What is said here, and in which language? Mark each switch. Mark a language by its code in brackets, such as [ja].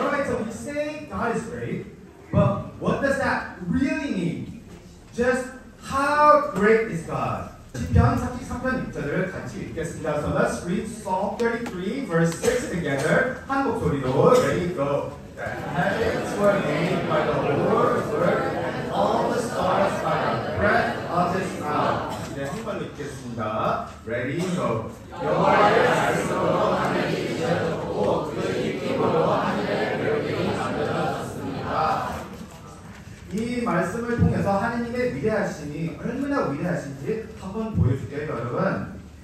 [en] Alright, so we say God is great, but what does that really mean? Just how great is God? [ko] 시편 43편 6절을 같이 읽겠습니다. [en] So let's read Psalm 33 verse 6 together. [ko] 한 목소리로 [en] ready go. The heavens were made by the Lord's word, and all the stars by the breath of His mouth. [ko] 네, 한 번 읽겠습니다. [en] Ready, go. [ko] 여호와의 말씀으로 하늘이 지어졌고 그 입김으로 하늘의 별이 만들어졌습니다. 이 말씀을 통해서 하느님의 위대하심이 얼마나 위대하신지 한번 보여줄게요, 여러분.